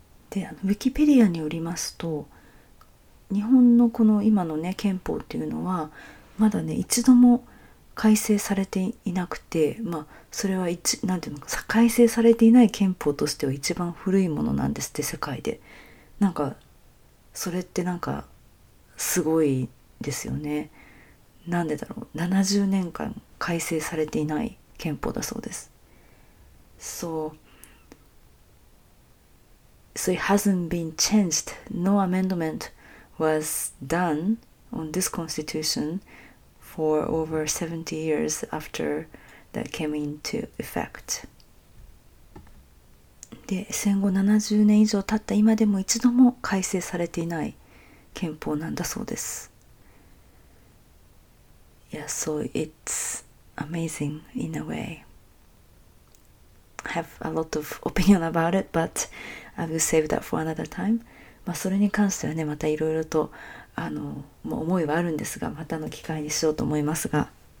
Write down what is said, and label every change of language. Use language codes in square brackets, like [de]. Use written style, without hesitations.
[ja] で、ウィキペディアによりますと、日本のこの今のね憲法っていうのはまだね一度も改正されていなくて、まあそれは何ていうのか改正されていない憲法としては一番古いものなんですって世界で。なんかそれってなんかすごいですよね。なんでだろう。70年間改正されていない憲法だそうです。So, [en] So it hasn't been changed. No amendment was done on this constitution for over 70 years after that came into effect. [ja] で、戦後70年以上経った今でも一度も改正されていない憲法なんだそうです。 [en] Yeah, so it's amazing in a way. I have a lot of opinion about it, but I will save that for another time. [ja] まあそれに関してはね、またいろいろと思いはあるんですが、またの機会にしようと思いますが。